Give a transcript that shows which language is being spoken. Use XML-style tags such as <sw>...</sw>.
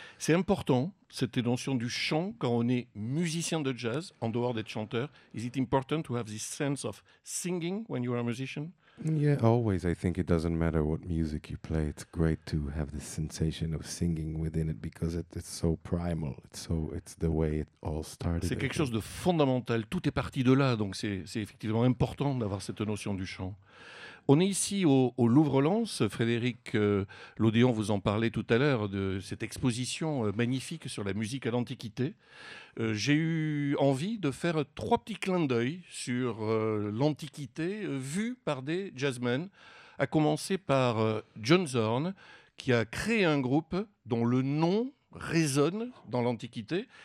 <fr>C'est important, cette notion du chant, quand on est musicien de jazz, en dehors d'être chanteur.</fr> <en>Is it important to have this sense of singing when you are a musician? Yeah, always. I think it doesn't matter what music you play. It's great to have the sensation of singing within it, because it's so primal. It's the way it all started.</en> <fr>C'est quelque chose de fondamental. Tout est parti de là, donc c'est effectivement important d'avoir cette notion du chant. On est ici au Louvre-Lens. Frédéric Laudéon, vous en parlait tout à l'heure, de cette exposition magnifique sur la musique à l'Antiquité. J'ai eu envie de faire trois petits clins d'œil sur l'Antiquité vue par des jazzmen, à commencer par John Zorn, qui a créé un groupe dont le nom résonne dans l'Antiquité.</fr>